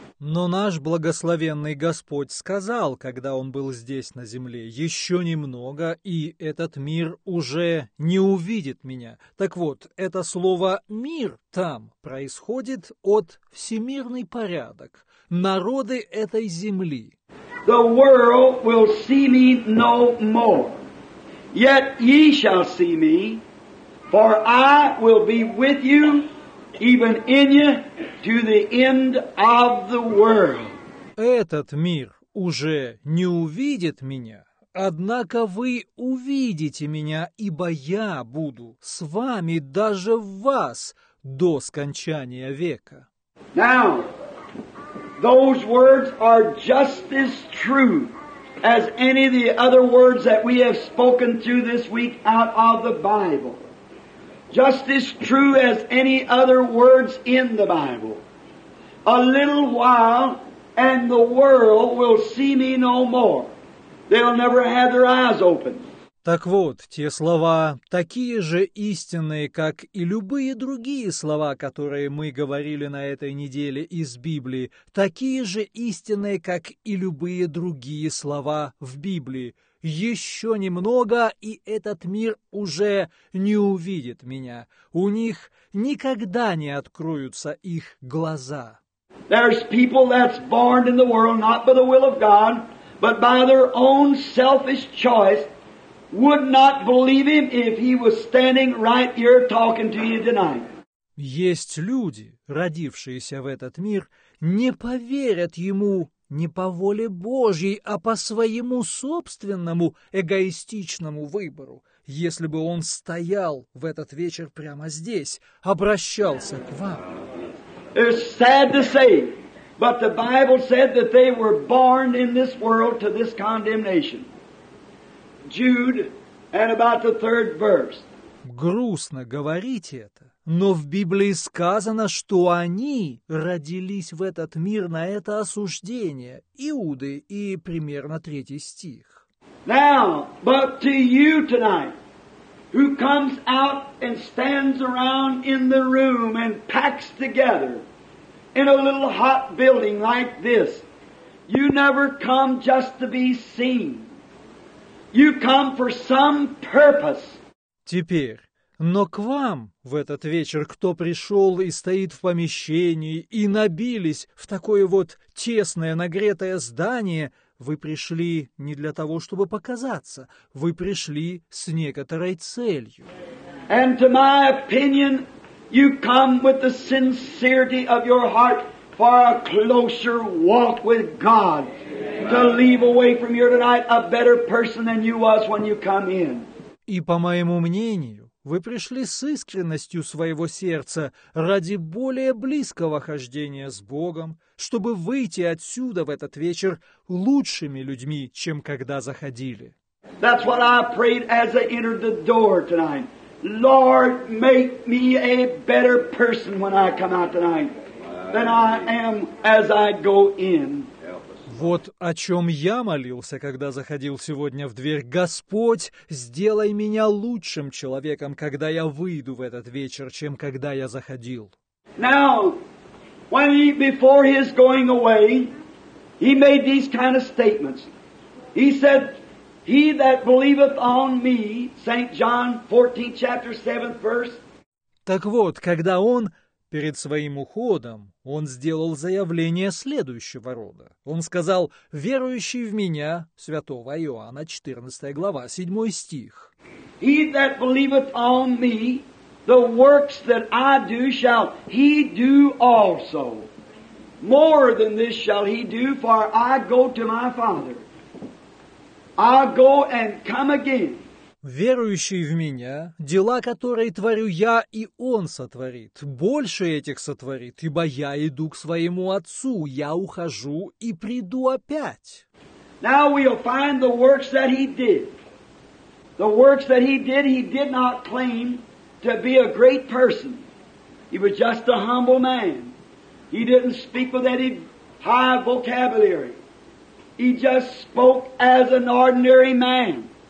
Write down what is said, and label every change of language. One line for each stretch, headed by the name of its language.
Russian: Но наш благословенный Господь сказал, когда Он был здесь на земле, «Еще немного, и этот мир уже не увидит Меня». Так вот, это слово «мир» там происходит от «всемирный порядок», народы этой земли.
English: The world will see me no more, yet ye shall see me, for I will be with you, even in you, to the end of the world.
Russian: Этот мир уже не увидит меня, однако вы увидите меня, ибо я буду с вами даже в вас до скончания века.
English: Now, those words are just as true as any of the other words that we have spoken through this week out of the Bible. Just as true as any other words in the Bible. A little while and the world will see me no more. They'll never have their eyes open.
Russian: Так вот, те слова такие же истинные, как и любые другие слова, которые мы говорили на этой неделе из Библии, такие же истинные, как и любые другие слова в Библии. «Еще немного, и этот мир уже не увидит меня». У них никогда не откроются их глаза.
English: There's people that's born in the world not by the will of God, but by their own selfish choice. Would not believe him if he was standing right here talking to you tonight.
Russian: Есть люди, родившиеся в этот мир, не поверят ему не по воле Божьей, а по своему собственному эгоистичному выбору, если бы он стоял в этот вечер прямо здесь, обращался к вам.
English: It's sad to say, but the Bible said that they were born in this world to this condemnation. Jude, and about the third verse.
Russian: Грустно говорить это, но в Библии сказано, что они родились в этот мир на это осуждение, Иуды, и примерно третий стих.
English: Now, but to you tonight, who comes out and stands around in the room and packs together in a little hot building like this, you never come just to be seen. You come for some purpose.
Russian: Теперь, но к вам в этот вечер, кто пришел и стоит в помещении, и набились в такое вот тесное, нагретое здание, вы пришли не для того, чтобы показаться, вы пришли с некоторой целью.
English: And to my opinion, you come with the sincerity of your heart for a closer walk with God. To leave away from here tonight a better person than you was when you come in.
Russian: И по моему мнению, вы пришли с искренностью своего сердца ради более близкого хождения с Богом, чтобы выйти отсюда в этот вечер лучшими людьми, чем когда заходили.
English: That's what I prayed as I entered the door tonight. Lord, make me a better person when I come out tonight than I am as I go in.
Russian: Вот о чем я молился, когда заходил сегодня в дверь. Господь, сделай меня лучшим человеком, когда я выйду в этот вечер, чем когда я заходил.
English: Now, when he, before his going away, he made these kind of statements. He said, he that believeth on me, St. John 14, chapter 7, verse.
Russian: Так вот, когда он... Перед своим уходом он сделал заявление следующего рода. Он сказал, «Верующий в Меня, святого Иоанна, 14 глава, 7 стих».
English: «He that believeth on Me, the works that I do shall he do also. More than this shall he do, for I go to My Father. I go and come again».
Russian: «Верующий в Меня, дела, которые творю Я, и Он сотворит, больше этих сотворит, ибо Я иду к Своему Отцу, Я ухожу и приду опять».
English: Now we'll find the works that He did. The works that He did not claim to be a great person. He was just a humble man. He didn't speak with any high vocabulary. He just spoke as an ordinary man.